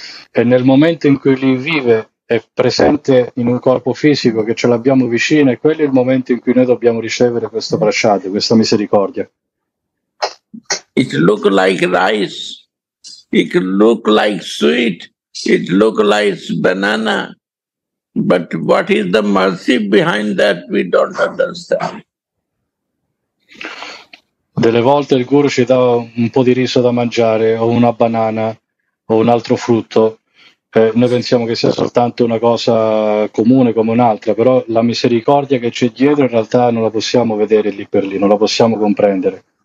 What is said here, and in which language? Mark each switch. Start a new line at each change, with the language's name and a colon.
Italian: E nel momento in cui lui vive, è presente in un corpo fisico che ce l'abbiamo vicino, e quello è il momento in cui noi dobbiamo ricevere questo prasad, questa misericordia.
English: It look like rice, it look like sweet, it look like banana, but what is the mercy behind that we don't understand.
Italian: Delle volte il guru ci dà un po' di riso da mangiare, o una banana, o un altro frutto. Noi pensiamo che sia soltanto una cosa comune come un'altra, però la misericordia che c'è dietro in realtà non la possiamo vedere lì per lì, non la possiamo comprendere.